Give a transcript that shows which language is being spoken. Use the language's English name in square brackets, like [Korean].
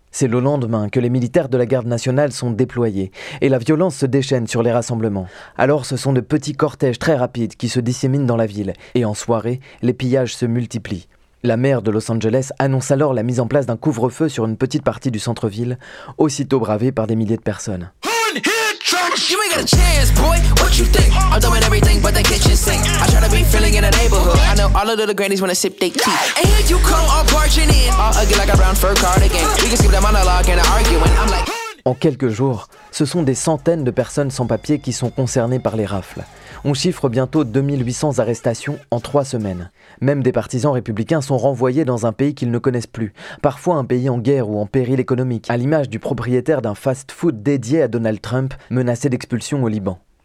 [French] C'est le lendemain que les militaires de la garde nationale sont déployés et la violence se déchaîne sur les rassemblements. Alors ce sont de petits cortèges très rapides qui se disséminent dans la ville et en soirée, les pillages se multiplient. La maire de Los Angeles annonce alors la mise en place d'un couvre-feu sur une petite partie du centre-ville, aussitôt bravée par des milliers de personnes. [English] get a chance, boy, what you think? I'm doing everything but the kitchen sink. I try to be feeling in the neighborhood. I know all the little grannies wanna sip they tea. And here you come all barging in, all ugly like a brown fur cardigan. We can skip that monologue and arguing. I'm like, [French] en quelques jours, ce sont des centaines de personnes sans papier qui sont concernées par les rafles. On chiffre bientôt 2800 arrestations en 3 semaines. Même des partisans républicains sont renvoyés dans un pays qu'ils ne connaissent plus. Parfois un pays en guerre ou en péril économique, à l'image du propriétaire d'un fast-food dédié à Donald Trump, menacé d'expulsion au Liban.